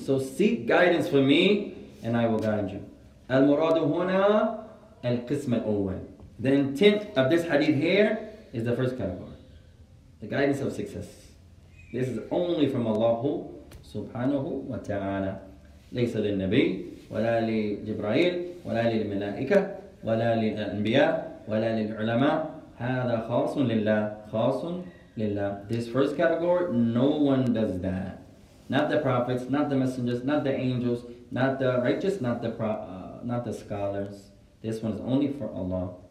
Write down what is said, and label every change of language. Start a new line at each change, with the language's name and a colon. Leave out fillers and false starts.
English: So seek guidance from me and I will guide you.
Arabic: الْمُرَادُ هُنَا الْقِسْمَ الْأَوَّلِ.
English: The intent of this hadith here is the first category. The guidance of success. This is only from Allah subhanahu wa ta'ala.
Arabic: ليس للنبي ولا لجبرائيل ولا للملائكة ولا للأنبياء ولا للعلماء هذا خاص لله خاص لله.
English: This first category, no one does that. Not the prophets, not the messengers, not the angels, not the righteous, not the scholars. This one is only for Allah.